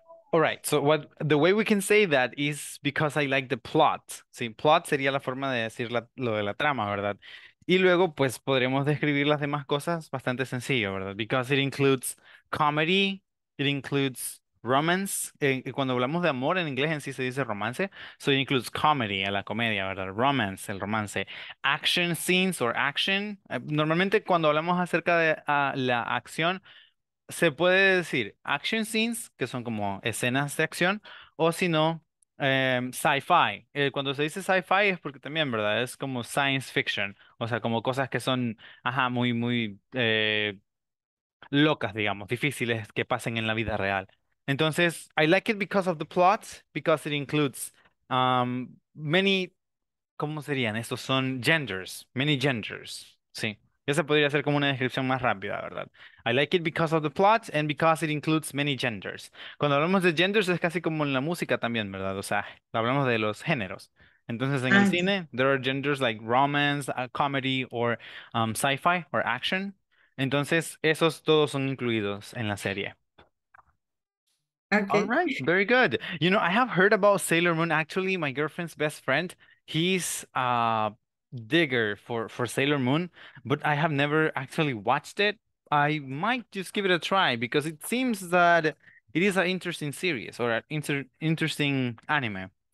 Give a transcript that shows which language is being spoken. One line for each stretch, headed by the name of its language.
English: All right, so what the way we can say that is because I like the plot.
Spanish: Sí, plot sería la forma de decir lo de la trama, ¿verdad? Y luego, pues podremos describir las demás cosas bastante sencillo, ¿verdad?
English: Because it includes comedy, it includes
Spanish: romance, cuando hablamos de amor en inglés en sí se dice romance,
English: so it includes comedy,
Spanish: la comedia, ¿verdad? Romance, el romance.
English: Action scenes or action,
Spanish: normalmente cuando hablamos acerca de la acción, se puede decir action scenes, que son como escenas de acción, o si no, sci-fi. Cuando se dice sci-fi es porque también, ¿verdad? Es como science fiction, o sea, como cosas que son, ajá, muy, muy locas, digamos, difíciles que pasen en la vida real.
English: Entonces, I like it because of the plot, because it includes many,
Spanish: ¿cómo serían? Estos son genders,
English: many genders,
Spanish: sí. Esa podría ser como una descripción más rápida, ¿verdad?
English: I like it because of the plot and because it includes many genders.
Spanish: Cuando hablamos de genders es casi como en la música también, ¿verdad? O sea, hablamos de los géneros. Entonces, en el cine,
English: there are genders like romance, comedy, or sci-fi, or action.
Spanish: Entonces, esos todos son incluidos en la serie.
English: Okay. All right, very good. You know, I have heard about Sailor Moon. Actually, my girlfriend's best friend, he's a digger for Sailor Moon, but I have never actually watched it. I might just give it a try because it seems that it is an interesting series or an interesting anime.